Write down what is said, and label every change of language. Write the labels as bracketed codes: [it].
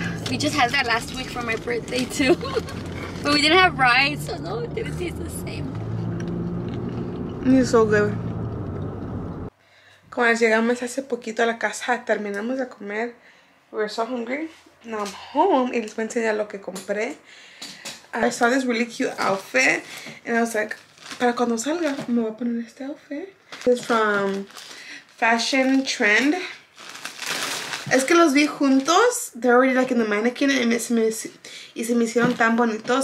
[en] We just had that last week for my birthday too. But we didn't have rice, so no, it didn't taste the same. It's so good. [es] Cuando llegamos hace poquito a la casa, terminamos de comer. [en] We were so hungry. Now I'm home, [es] y les voy a enseñar lo que compré. [en] I saw this really cute outfit, and I was like, [es] para cuando salga, me voy a poner este outfit. [en] It's from Fashion Trend. [es] Es que los vi juntos, [en] they're already like in the mannequin, [es] y se me hicieron tan bonitos.